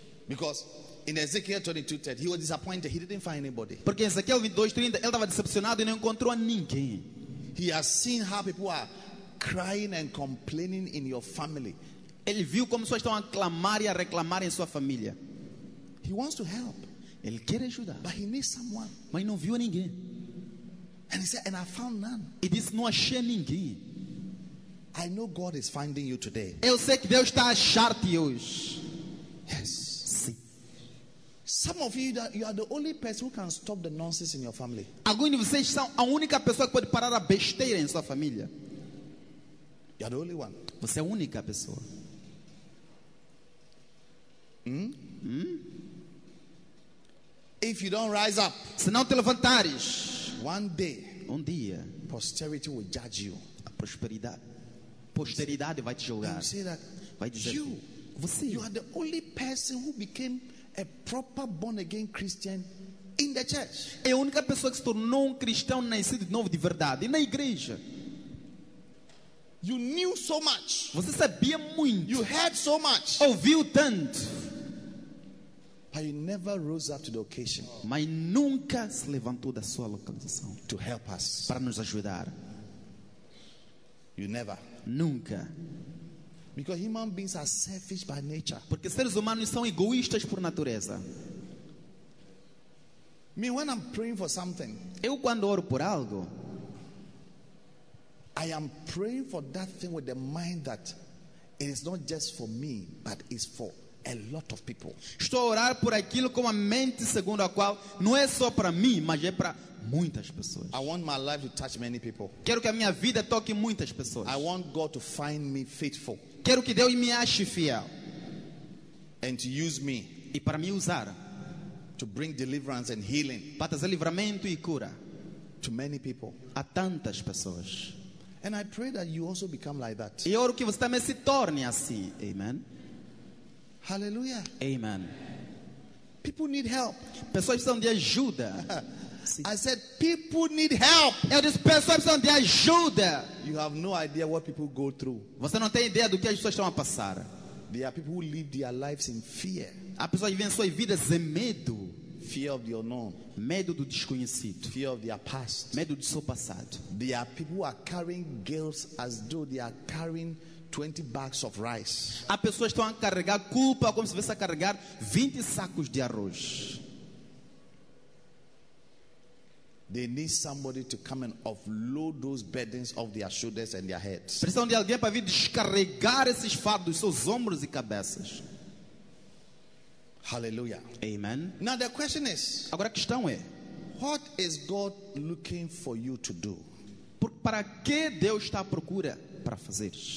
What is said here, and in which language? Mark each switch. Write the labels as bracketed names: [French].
[English] Because in Ezekiel 22:30, he was disappointed. He didn't find anybody. [Portuguese] Porque em Ezequiel 22:30, ele estava decepcionado e não encontrou a ninguém. [English] He has seen how people are crying and complaining in your family. [Portuguese] Ele viu como pessoas estão a clamar e a reclamar em sua família. [English] He wants to help. [Portuguese] Ele quer ajudar. [English] But he needs someone. [Portuguese] Mas não viu ninguém. [English] And he said, and I found none. [Portuguese] E disse, não achei ninguém. [English] I know God is finding you today. [Portuguese] Eu sei que Deus está a achar-te hoje. [English] Yes. [Portuguese] Sim. [English] Some of you, you are the only person who can stop the nonsense in your family. [Portuguese] Alguns de vocês são a única pessoa que pode parar a besteira em sua família. [English] You are the only one. [Portuguese] Você é a única pessoa. [English] If you don't rise up, [Portuguese] se não te levantares, [English] one day, [Portuguese] um dia, [English] posterity will judge you. [Portuguese] A posteridade vai te julgar. [English] You say that, [Portuguese] vai dizer, [English] you, [Portuguese] você, [English] you are the only person who became a proper born again Christian in the church. [Portuguese] É a única pessoa que se tornou um cristão nascido de novo de verdade na igreja. [English] You knew so much. [Portuguese] Você sabia muito. [English] You heard so much. [Portuguese] Ouviu tanto. [English] But he never rose up to the occasion. [Portuguese] Mas nunca se levantou da sua localização. [English] To help us. [Portuguese] Para nos ajudar. [English] You never. [Portuguese] Nunca. [English] Because human beings are selfish by nature. [Portuguese] Porque seres humanos são egoístas por natureza. [English] Me, when I'm praying for something. [Portuguese] Eu quando oro por algo. [English] I am praying for that thing with the mind that it is not just for me, but it's for a lot of people. [Portuguese] Estou a orar por aquilo com a mente segundo a qual não é só para mim, mas é para muitas pessoas. [English] I want my life to touch many people. [Portuguese] Quero que a minha vida toque muitas pessoas. [English] I want God to find me faithful. [Portuguese] Quero que Deus me ache fiel. [English] And to use me. [Portuguese] E para me usar. [English] To bring deliverance and healing. [Portuguese] Para trazer livramento e cura. [English] To many people. [Portuguese] A tantas pessoas. [English] And I pray that you also become like that. [Portuguese] E oro que você também se torne assim. [English] Amen. Hallelujah. Amen. People need help. [Portuguese] Pessoas precisam de ajuda. [English] I said people need help. [Portuguese] Eu disse pessoas precisam de ajuda. [English] You have no idea what people go through. [Portuguese] Você não tem ideia do que as pessoas estão a passar. [English] There are people who live their lives in fear. [Portuguese] Há pessoas que vivem suas vidas em medo. [English] Fear of the unknown. [Portuguese] Medo do desconhecido. [English] Fear of their past. [Portuguese] Medo do seu passado. [English] There are people who are carrying guilt as though they are carrying 20 bags of rice. [Portuguese] Há pessoas que estão a carregar culpa como se estivesse a carregar 20 sacos de arroz. [English] They need somebody to come and offload those burdens off their shoulders and their heads. [Portuguese] Precisam de alguém para vir descarregar esses fardos seus ombros e cabeças. [English] Hallelujah. Amen. Now the question is, [Portuguese] agora a questão é, [English] what is God looking for you to do? [Portuguese] Para que Deus está à procura para fazer?